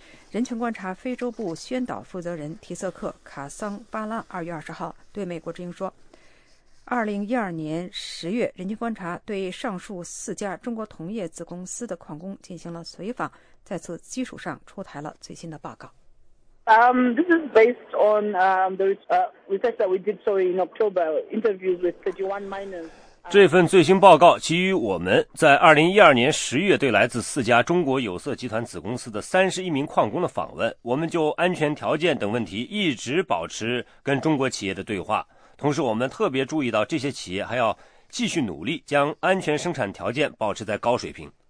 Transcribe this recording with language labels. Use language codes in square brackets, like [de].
[zh] 人权观察非洲部宣导负责人提瑟克卡桑巴拉2月20号对美国之音说，2012年10月，人权观察对上述四家中国铜业子公司的矿工进行了随访，在此基础上出台了最新的报告。 [en] This is based on the research that we did in October, interviews with 31 miners. [zh] 这份最新报告基于我们在2012年10月对来自四家中国有色集团子公司的31名矿工的访问，我们就安全条件等问题一直保持跟中国企业的对话。同时我们特别注意到这些企业还要继续努力将安全生产条件保持在高水平。